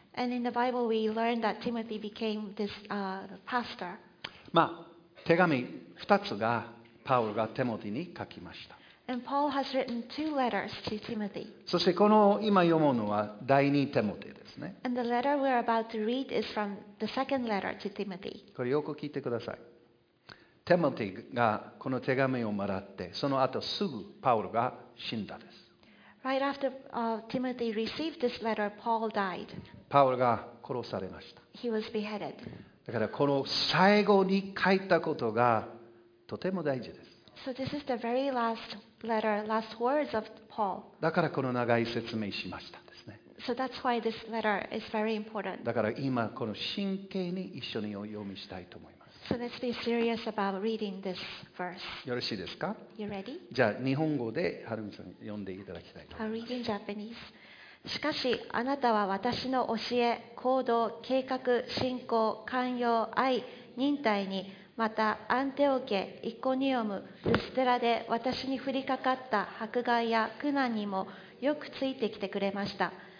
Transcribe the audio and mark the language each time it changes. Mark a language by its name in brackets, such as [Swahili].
[English] And in the Bible we learn that Timothy became this, pastor. [Japanese] まあ手紙二つがパウロがテモティに書きました。 [English] And Paul has written two letters to Timothy. [Japanese] そしてこの今読むのは第二テモティですね。 [English] And the letter we're about to read is from the second letter to Timothy. [Japanese] これよく聞いてください。テモティがこの手紙をもらって、その後すぐパウロが死んだです。 [English] Right after, Timothy received this letter, Paul died. [Japanese] パウロが殺されました。 [English] He was beheaded. [Japanese] だからこの最後に書いたことがとても大事です。 [English] So this is the very last letter, last words of Paul. [Japanese] だからこの長い説明しましたですね。 [English] So that's why this letter is very important. [Japanese] だから今この真剣に一緒に読みしたいと思います。 [English] So let's be serious about reading this verse. [Japanese] よろしいですか? [English] You ready? [Japanese] じゃあ日本語で春美さん読んでいただきたいと思います。 [English] I'll read in Japanese. [Japanese] しかしあなたは私の教え、行動、計画、信仰、寛容、愛、忍耐にまたアンテオケ、イコニオム、ルステラで私に降りかかった迫害や苦難にもよくついてきてくれました。